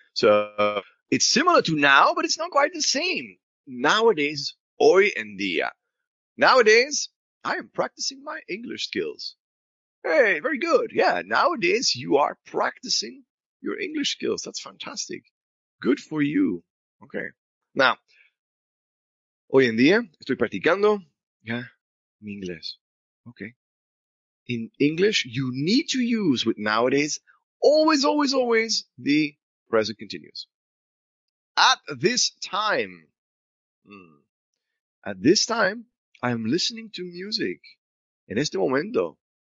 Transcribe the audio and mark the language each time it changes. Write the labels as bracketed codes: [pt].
[en] So it's similar to now, but it's not quite the same. Nowadays. [es] Hoy en día. [en] Nowadays, I am practicing my English skills. Hey, very good. Yeah, nowadays you are practicing your English skills. That's fantastic. Good for you. Okay. [es] Now, hoy en día estoy practicando, mi inglés. [en] Okay. In English, you need to use with nowadays always, always, always the present continuous. At this time. At this time, I am listening to music. [es] En este momento.